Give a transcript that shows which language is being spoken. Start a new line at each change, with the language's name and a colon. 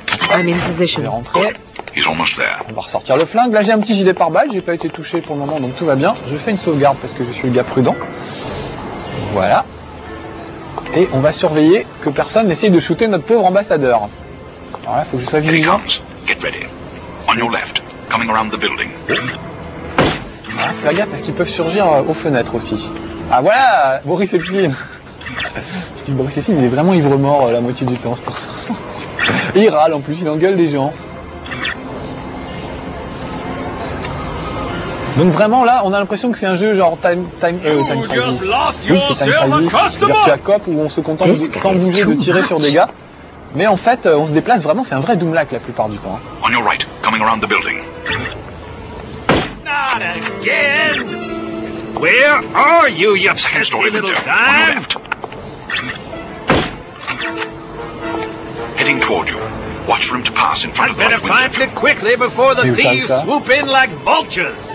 French: Je vais rentrer. On va ressortir le flingue. Là j'ai un petit gilet pare-balles, j'ai pas été touché pour le moment, donc tout va bien. Je fais une sauvegarde parce que je suis le gars prudent. Voilà. Et on va surveiller que personne n'essaye de shooter notre pauvre ambassadeur. Alors là, faut que je sois vigilant.
English: Get ready. On your left, coming around the building.
French: Voilà, fais gaffe parce qu'ils peuvent surgir aux fenêtres aussi. Ah voilà, Boris Epstein. Je dis Boris Epstein, il est vraiment ivre-mort la moitié du temps, c'est pour ça. Il râle en plus, il engueule des gens. Donc vraiment là, on a l'impression que c'est un jeu genre Time Crisis. Oui, c'est Time Crisis, c'est-à-dire Jack Cop où on se contente sans bouger de tirer sur des gars. Mais en fait, on se déplace vraiment, c'est un vrai Doom-lac la plupart du temps.
English: On your right, coming around the building. Not again. Where are you, you pesky little guy? On your left. Heading toward you. Watch for him to pass in front of the window. I'd better find it quickly before the thieves swoop in like vultures.